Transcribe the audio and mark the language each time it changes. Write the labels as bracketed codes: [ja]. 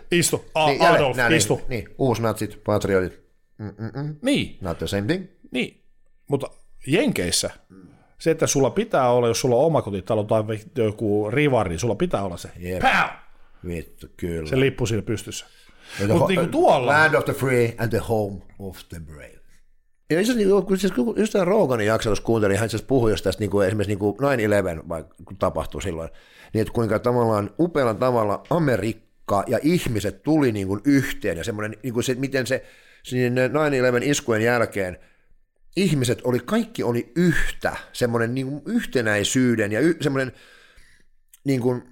[fi] Istu. Adolf, näin, istu. Niin, uusnatsit, patriotit. Niin. [en] Not the same thing. [fi] Niin, mutta Jenkeissä se, että sulla pitää olla, jos sulla on omakotitalo tai joku rivari, sulla pitää olla se. Jep. Pow! Vittu, kyllä. Se lippu siinä pystyssä. Mutta niin kuin tuolla. [en] Land of the free and the home of the brave. [fi] Ja itse asiassa, kun just tämä Roganin jakso, jos kuuntelin, hän itse asiassa puhui just tästä niin kuin esimerkiksi niin kuin 9-11, vaikka tapahtui silloin, niin että kuinka tavallaan upealla tavalla Amerikka ja ihmiset tuli niin kuin yhteen ja semmoinen, niin kuin se, miten se sinne 9-11 iskujen jälkeen ihmiset oli, kaikki oli yhtä, semmoinen niin kuin yhtenäisyyden ja semmoinen niin kuin